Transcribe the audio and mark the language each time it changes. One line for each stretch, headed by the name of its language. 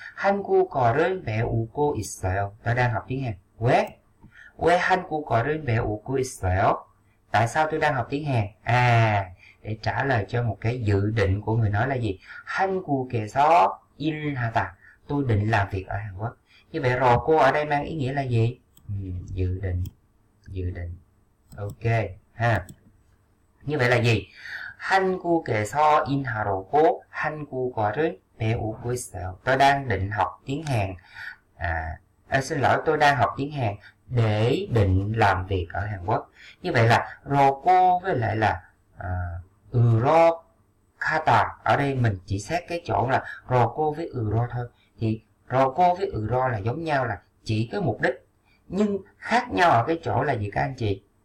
Korean: 한국어를 배우고 있어요.
Vietnamese: Tôi đang học tiếng Hàn. 왜?
Korean: 왜 한국어를 배우고 있어요?
Vietnamese: Tại sao tôi đang học tiếng Hàn? Để trả lời cho một cái dự định của người nói là gì?
Korean: 한국에서 일하다.
Vietnamese: Tôi định làm việc ở Hàn Quốc. Như vậy rồi cô ở đây mang ý nghĩa là gì? Dự định. Ok ha. Như vậy là gì?
Korean: 한국에서 일하려고 한국어를 배우고 있어요.
Vietnamese: Tôi đang định học tiếng Hàn. Xin lỗi, tôi đang học tiếng Hàn để định làm việc ở Hàn Quốc. Như vậy là rồi cô với lại là ro kata, ở đây mình chỉ xét cái chỗ là ro cô với ro thôi, thì ro cô với ro là giống nhau, là chỉ cái mục đích, nhưng khác nhau ở cái chỗ là gì các anh chị?